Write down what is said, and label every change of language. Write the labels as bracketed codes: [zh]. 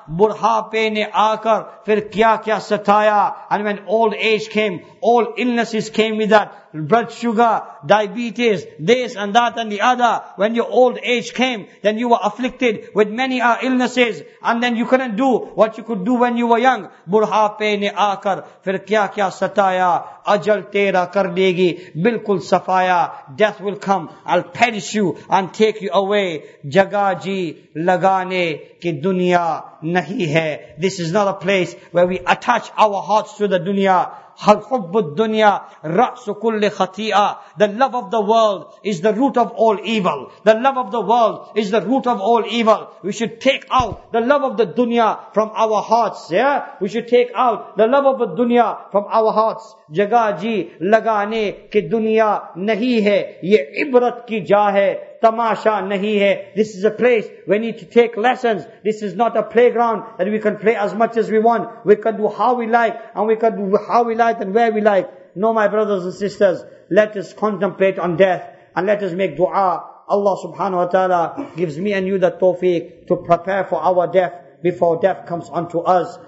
[ur] Burhape ne aakar fir kya kya sataya. [en] And when old age came, all illnesses came with that. Blood sugar, diabetes, this and that and the other. When your old age came, then you were afflicted with many illnesses. And then you couldn't do what you could do when you were young. [ur] Burhape نے آ کر پھر کیا کیا ستایا، اجل تیرا کر دے گی بالکل صفایا، [en] death will come, I'll perish you and take you away. [ur] جگا جی لگانے کی دنیا نہیں ہے. [en] This is not a place where we attach our hearts to the dunya. [ar] حب الدنیا رأس كل خطيئة. [en] The love of the world is the root of all evil. The love of the world is the root of all evil. We should take out the love of the dunya from our hearts. Yeah, we should take out the love of the dunya from our hearts. [ur] جگہ جی لگانے کی دنیا نہیں ہے، یہ عبرت کی جا ہے تماشا نہیں ہے. [en] This is a place we need to take lessons. This is not a playground that we can play as much as we want. We can do how we like and we can do how we like and where we like. No, my brothers and sisters, let us contemplate on death and let us make dua. Allah subhanahu wa ta'ala gives me and you the tawfiq to prepare for our death before death comes unto us.